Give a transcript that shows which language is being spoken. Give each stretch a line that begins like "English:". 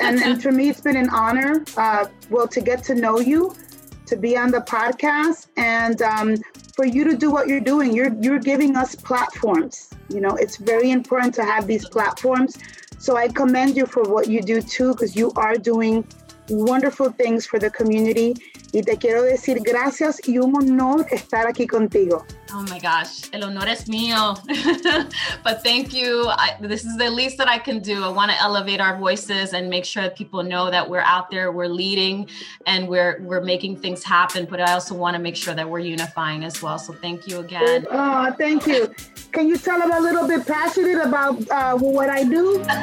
English: And for me, it's been an honor to get to know you, to be on the podcast, and for you to do what you're doing. You're giving us platforms. It's very important to have these platforms. So I commend you for what you do too, because you are doing wonderful things for the community.
Spanish: Y te quiero decir gracias y un honor estar aquí contigo.
English: Oh my gosh,
Spanish: el honor es mío.
English: But thank you. This is the least that I can do. I want to elevate our voices and make sure that people know that we're out there, we're leading, and we're making things happen. But I also want to make sure that we're unifying as well. So thank you again. Oh, thank you. Can you tell I'm a little bit passionate about what I do?